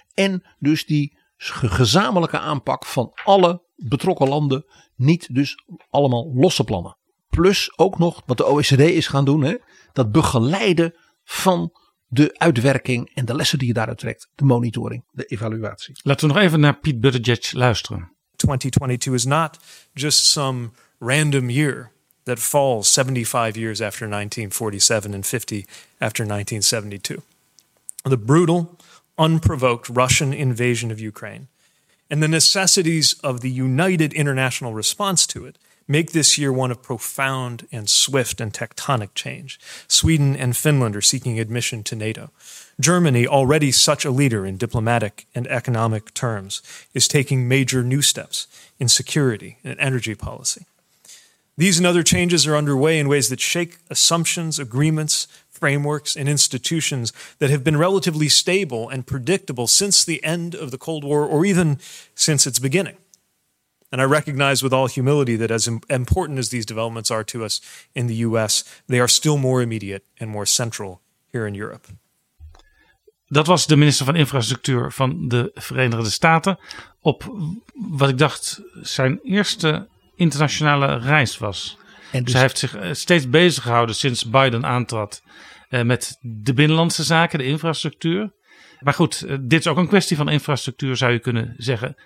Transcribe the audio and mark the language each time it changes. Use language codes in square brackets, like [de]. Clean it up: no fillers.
[nl] En dus die gezamenlijke aanpak van alle betrokken landen. Niet dus allemaal losse plannen. Plus ook nog wat de OECD is gaan doen. Hè, dat begeleiden van de uitwerking en de lessen die je daaruit trekt. De monitoring, de evaluatie. Laten we nog even naar Pete Buttigieg luisteren. [en] 2022 is not just some random year that falls 75 years after 1947 and 50 after 1972. The brutal, unprovoked Russian invasion of Ukraine and the necessities of the united international response to it make this year one of profound and swift and tectonic change. Sweden and Finland are seeking admission to NATO. Germany, already such a leader in diplomatic and economic terms, is taking major new steps in security and energy policy. These and other changes are underway in ways that shake assumptions, agreements, frameworks, and institutions that have been relatively stable and predictable since the end of the Cold War or even since its beginning. And I recognize with all humility that as important as these developments are to us in the US, they are still more immediate and more central here in Europe. [nl] Dat was de minister van Infrastructuur van de Verenigde Staten. Op wat ik dacht zijn eerste internationale reis was. En dus zij heeft zich steeds bezig gehouden sinds Biden aantrad. Met de binnenlandse zaken, de infrastructuur. Maar goed, dit is ook een kwestie van infrastructuur, zou je kunnen zeggen.